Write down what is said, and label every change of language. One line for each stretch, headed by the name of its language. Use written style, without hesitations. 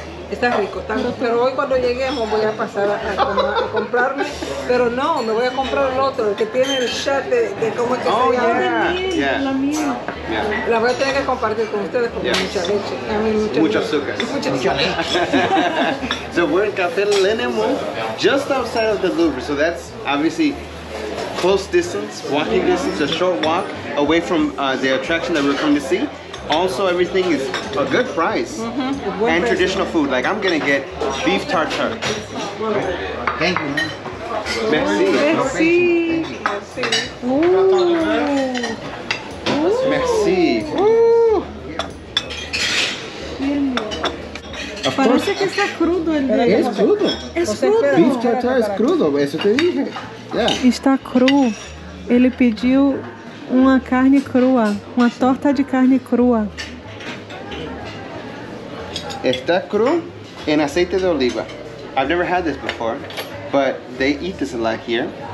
Spanish: Está rico, está rico, pero hoy cuando lleguemos voy a pasar a comprarme, pero no, me voy a comprar el otro, el que tiene el chat de cómo es que oh, se llama. Yeah. La miel, yeah. La miel. Yeah. La voy a tener que compartir con ustedes con yeah. Mucha leche. A mí mucho azúcar. Mucha azúcar.
English: So we're in Cafe Le Nemours, just outside of the Louvre, so that's obviously close distance, walking distance, a short walk away from the attraction that we're coming to see. Also, everything is a good price mm-hmm. and traditional food. Like, I'm gonna get beef tartare. Thank you, man.
French: Merci. Merci. Merci. Ooh. Ooh. Merci.
English: Of course.
Spanish: Parece que está crudo el día. Es crudo. Es crudo. Beef tartare es crudo, eso te dije. Yeah.
Portuguese: Está cru. Ele pediu. Uma carne crua, uma torta de carne crua. Está cru em aceite de oliva.
English: I've never had this before, but they eat this a lot here.